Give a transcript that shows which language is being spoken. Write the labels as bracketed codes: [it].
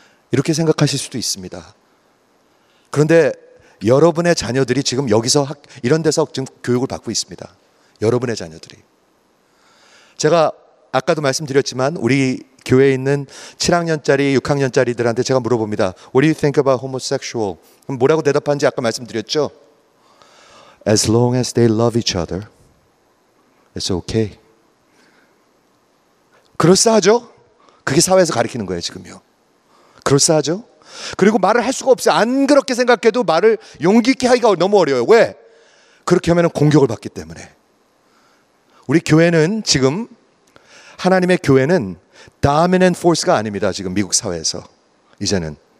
[ko] 이렇게 생각하실 수도 있습니다. 그런데 여러분의 자녀들이 지금 여기서 이런 데서 지금 교육을 받고 있습니다. 여러분의 자녀들이. 제가 아까도 말씀드렸지만 우리 교회에 있는 7학년짜리, 6학년짜리들한테 제가 물어봅니다. [en] What do you think about homosexual? [ko] 그럼 뭐라고 대답하는지 아까 말씀드렸죠? [en] As long as they love each other, it's okay. [ko] 그럴싸하죠? 그게 사회에서 가르치는 거예요, 지금요. 그럴싸하죠? 그리고 말을 할 수가 없어요. 안 그렇게 생각해도 말을 용기 있게 하기가 너무 어려워요. 왜? 그렇게 하면 공격을 받기 때문에. 우리 교회는 지금, 하나님의 교회는 dominant force가 아닙니다. 지금 미국 사회에서. 이제는.